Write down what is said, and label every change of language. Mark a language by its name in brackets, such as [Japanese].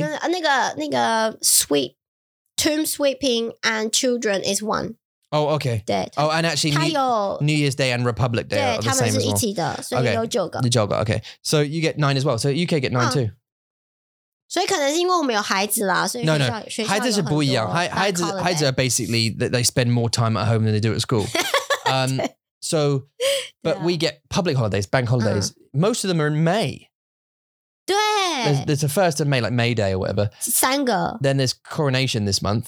[Chinese] 那个 [English] sweep, tomb sweeping and children is one. Oh, okay. [Chinese] 对, [English] oh, and actually New Year's Day and Republic Day [Chinese] 对, [English] are the same as well. [Chinese] 他们是一起的,所以有九个。九个, [English] okay. So you get 9 as well. So UK get 9 too. [Chinese] 所以可能是因为我们有孩子啦，所以学校 [English] no, no. [Chinese] 孩子是不一样，孩子 [English] basically they spend more time at home than they do at school. so, but yeah. we get public holidays, bank holidays. Most of them are in May. [Chinese] 对, [English] there's a first of May, like May Day or whatever. [Chinese] 三个. [English] Then there's coronation this month,